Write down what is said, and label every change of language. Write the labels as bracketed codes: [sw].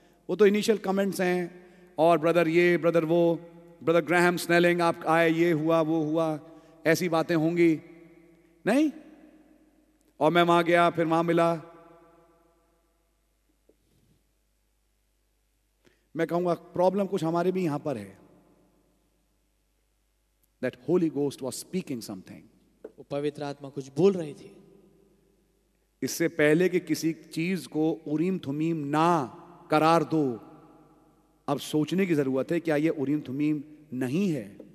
[hi] वो तो initial comments हैं और ब्रदर ये ब्रदर वो ब्रदर ग्राहम स्नेलिंग आप आए ये हुआ वो हुआ ऐसी बातें होंगी नहीं. और मैं वहां गया फिर वहां मिला मैं कहूंगा प्रॉब्लम कुछ हमारे भी यहां पर है. [en] That Holy Ghost was speaking something. [hi] वो पवित्र आत्मा कुछ बोल रही थी. इससे पहले कि किसी चीज को उरीम थुमीम ना करार दो अब सोचने की जरूरत है क्या ये उरीम थुमीम नहीं है.